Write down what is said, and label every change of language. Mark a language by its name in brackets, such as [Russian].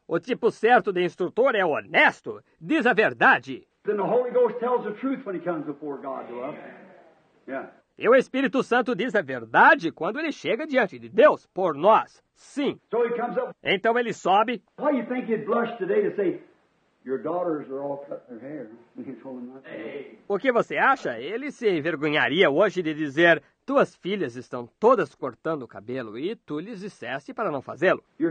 [Portuguese] O tipo certo de instrutor é honesto, diz a verdade. [English] Then the Holy Ghost tells the truth when he comes before God. Yeah. [Portuguese] E o Espírito Santo diz a verdade quando ele chega diante de Deus por nós. Sim. [English] So he comes up. [Portuguese] Então ele sobe. [English] Why do you think he'd blush today to say your daughters are all cutting their hair and he's holding that? [Portuguese] O que você acha? Ele se envergonharia hoje de dizer: tuas filhas estão todas cortando o cabelo e tu lhes disseste para não fazê-lo.